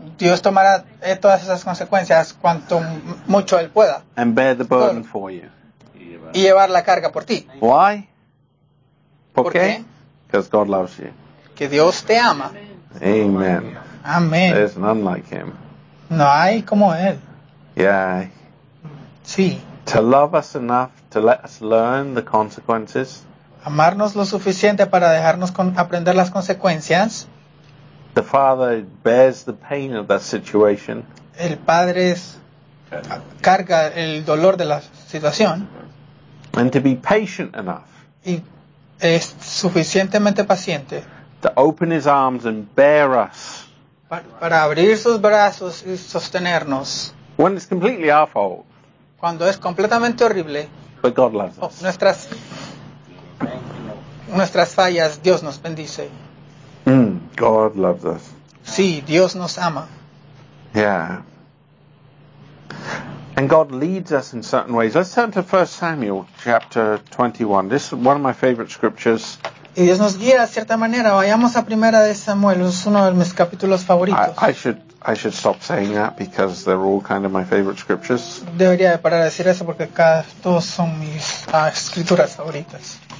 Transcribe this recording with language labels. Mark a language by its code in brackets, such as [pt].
[es] Dios tomará todas esas consecuencias cuanto mucho Él pueda. [en] And bear the burden for you. [es] Y llevar la carga por ti. [en] Why? [es] ¿Por qué? [en] Because God loves you. [es] Que Dios te ama. [en] Amen. [es] Amen. [en] There's none like Him. [es] No hay como Él. [en] Yeah. [es] Sí. [en] To love us enough to let us learn the consequences. [es] Amarnos lo suficiente para dejarnos aprender las consecuencias. [en] The Father bears the pain of that situation. [es] El Padre carga el dolor de la situación. [en] And to be patient enough. [es] Y es suficientemente paciente. [en] To open His arms and bear us. [es] Para abrir sus brazos y sostenernos. [en] When it's completely our fault. [es] Cuando es completamente horrible. [en] But God loves us. [es] Nuestras fallas, Dios nos bendice. [en] God loves us. [es] Sí, Dios nos ama. [en] Yeah. And God leads us in certain ways. Let's turn to 1 Samuel chapter 21. This is one of my favorite scriptures. [es] Y Dios nos guía de cierta manera. Vayamos a Primera de Samuel. Es uno de mis capítulos favoritos. [en] I should stop saying that because they're all kind of my favorite scriptures. [es] Debería de parar a decir eso porque todos son mis escrituras favoritas.